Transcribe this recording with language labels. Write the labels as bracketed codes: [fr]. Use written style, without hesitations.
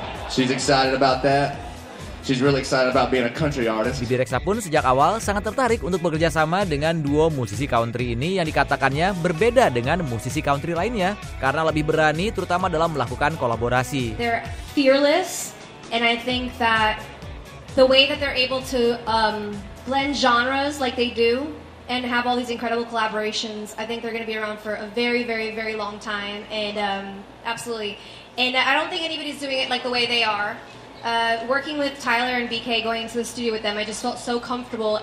[en] She's excited about that. She's really excited about being a country artist. [id] Bebe Rexha pun sejak awal sangat tertarik untuk bekerja sama dengan duo musisi country ini yang dikatakannya berbeda dengan musisi country lainnya karena lebih berani terutama dalam melakukan kolaborasi. [en] They're fearless, and I think that the way that they're able to blend genres like they do and have all these incredible collaborations, I think they're going to be around for a very, very, very long time, and absolutely. And I don't think anybody's doing it like the way they are. Working with Tyler and BK, going to the studio with them, I just felt so comfortable.